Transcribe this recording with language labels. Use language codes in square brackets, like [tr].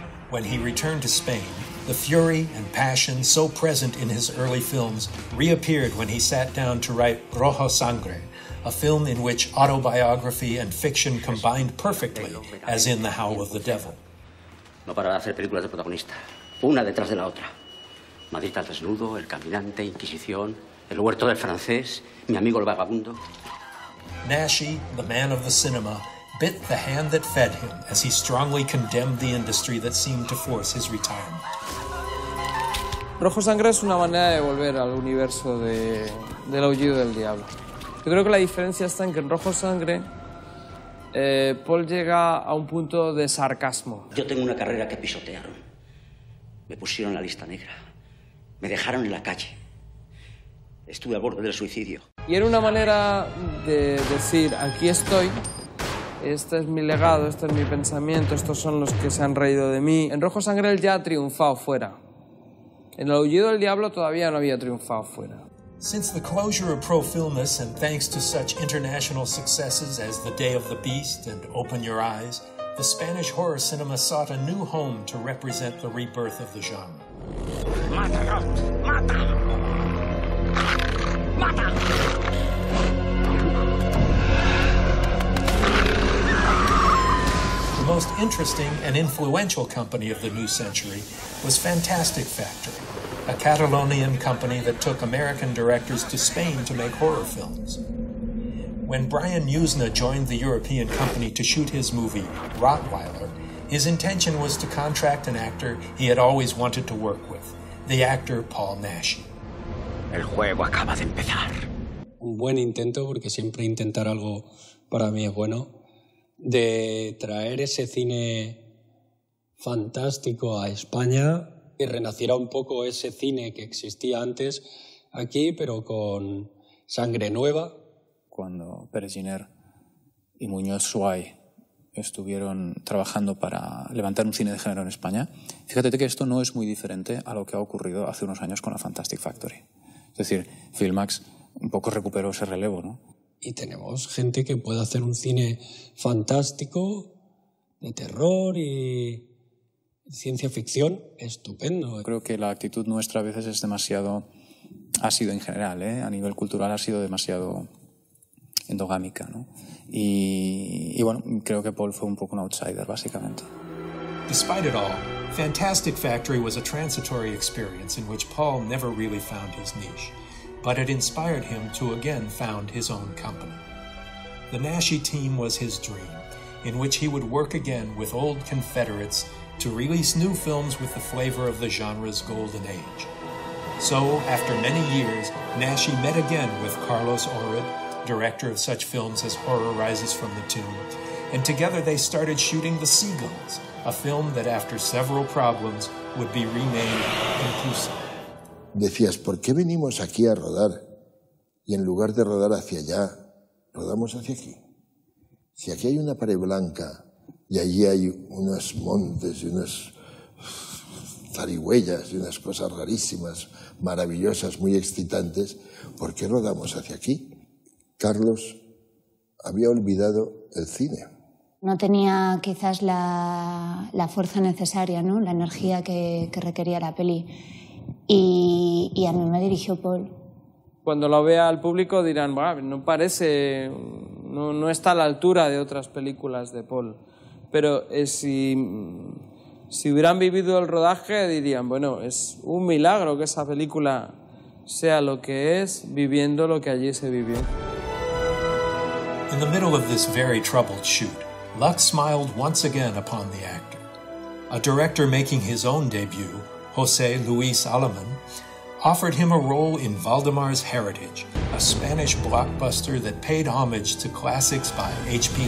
[en] When he returned to Spain, the fury and passion so present in his early films reappeared when he sat down to write Rojo Sangre, a film in which autobiography and fiction combined perfectly, as in The Howl of the Devil. [es] No paraba de hacer películas de protagonista, una detrás de la otra. Madrid al desnudo, El Caminante, Inquisición, El Huerto del Francés, Mi Amigo el Vagabundo. [en] Naschy, the man of the cinema, bit the hand that fed him as he strongly condemned the industry that seemed to force his retirement. [es] Rojo Sangre es una manera de volver al universo del aullido del diablo. Yo creo que la diferencia está en que en Rojo Sangre Paul llega a un punto de sarcasmo. Yo tengo una carrera que pisotearon. Me pusieron en la lista negra. Me dejaron en la calle. Estuve a borde del suicidio. Y era una manera de decir, aquí estoy, este es mi legado, este es mi pensamiento, estos son los que se han reído de mí. En Rojo Sangre él ya ha triunfado fuera. En El Aullido del Diablo todavía no había triunfado fuera. [en] Since the closure of Pro Filmus, and thanks to such international successes as The Day of the Beast and Open Your Eyes, the Spanish horror cinema sought a new home to represent the rebirth of the genre. [es] Mata, mata, mata. [en] The most interesting and influential company of the new century was Fantastic Factory, a Catalonian company that took American directors to Spain to make horror films. When Brian Usna joined the European company to shoot his movie, Rottweiler, his intention was to contract an actor he had always wanted to work with, the actor Paul Naschy. [es] El juego acaba de empezar. Un buen intento, porque siempre intentar algo para mí es bueno, de traer ese cine fantástico a España. Y renaciera un poco ese cine que existía antes aquí, pero con sangre nueva. Cuando Pérez Giner y Muñoz Suay estuvieron trabajando para levantar un cine de género en España, fíjate que esto no es muy diferente a lo que ha ocurrido hace unos años con la Fantastic Factory. Es decir, Filmax un poco recuperó ese relevo, ¿no? Y tenemos gente que puede hacer un cine fantástico, de terror y ciencia ficción, estupendo. Creo que la actitud nuestra a veces es demasiado, ha sido en general, ¿eh? A nivel cultural ha sido demasiado endogámica, ¿no? Y bueno, creo que Paul fue un poco un outsider, básicamente. [en] Despite it all, Fantastic Factory was a transitory experience in which Paul never really found his niche, but it inspired him to again found his own company. The Naschy team was his dream, in which he would work again with old confederates to release new films with the flavor of the genre's golden age. So, after many years, Naschy met again with Carlos Orrit, director of such films as Horror Rises from the Tomb, and together they started shooting The Seagulls, a film that, after several problems, would be renamed Incluso. [es] Decías, ¿por qué venimos aquí a rodar? Y en lugar de rodar hacia allá, rodamos hacia aquí. Si aquí hay una pared blanca, y allí hay unos montes y unas zarigüeyas y unas cosas rarísimas, maravillosas, muy excitantes, ¿por qué rodamos hacia aquí? Carlos había olvidado el cine. No tenía quizás la fuerza necesaria, ¿no? La energía que requería la peli. Y a mí me dirigió Paul. Cuando lo vea al público dirán, no parece, no está a la altura de otras películas de Paul. Pero si hubieran vivido el rodaje, dirían, bueno, es un milagro que esa película sea lo que es, viviendo lo que allí se vivió. [en] In the middle of this very troubled shoot, luck smiled once again upon the actor. A director making his own debut, José Luis Alemán, offered him a role in Valdemar's Heritage, a Spanish blockbuster that paid homage to classics by H.P.